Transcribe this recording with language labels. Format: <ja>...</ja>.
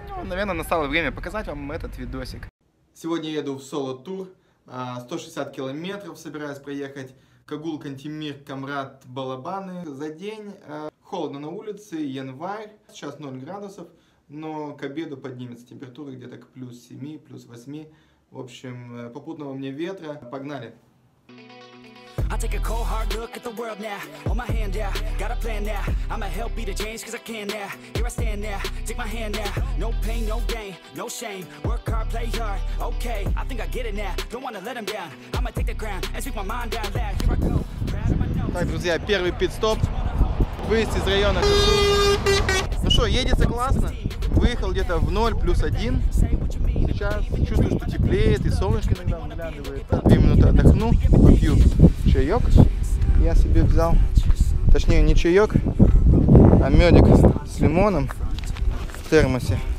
<ru>Наверное, настало время показать вам этот видосик. Сегодня еду в соло-тур, 160 километров собираюсь проехать. Кагул, Кантемир, Камрад, Балабаны. За день холодно на улице, январь, сейчас 0 градусов, но к обеду поднимется температура где-то к плюс 7, плюс 8. В общем, попутного мне ветра. Погнали!</ru> <en>I take a cold hard look at the world now. Hold my hand now, got a plan now. I'ma help be the change cause I can now. Here I stand now, take my hand now. No pain, no gain, no shame. Work hard, play hard, okay. I think I get it now, don't wanna let him down. I'ma take the ground and speak my mind out loud. Here I go, proud of my nose.</en> <ru>Так, друзья, первый пит-стоп. Выезд из района. Ну что, едется классно. Выехал где-то в 0, плюс 1. Сейчас чувствую, что теплеет и солнышко иногда выглядывает. 2 минуты отдохну, попью чаек. Я себе взял, точнее не чаек, а медик с лимоном в термосе.</ru>